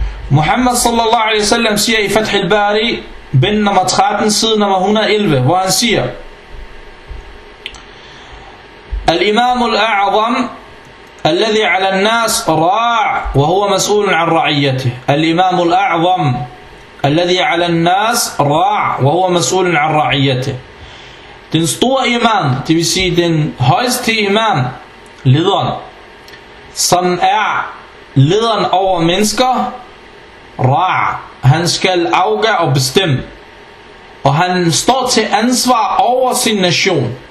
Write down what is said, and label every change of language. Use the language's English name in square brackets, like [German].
[Danish] Muhammad sallallahu alaihi wasallam siger i Fath al-Bari, bind nummer 13, side nummer 111, hvor han siger, [Arabic] الإمام الأعظم الذي على الناس راع وهو مسؤول عن رعيته. الإمام الأعظم الذي على الناس راع وهو مسؤول عن رعيته. [Danish] Den store imam, det vil sige den højeste imam, lederen, som er lederen over mennesker, ra, han skal afgøre og bestemme, og han står til ansvar over sin nation.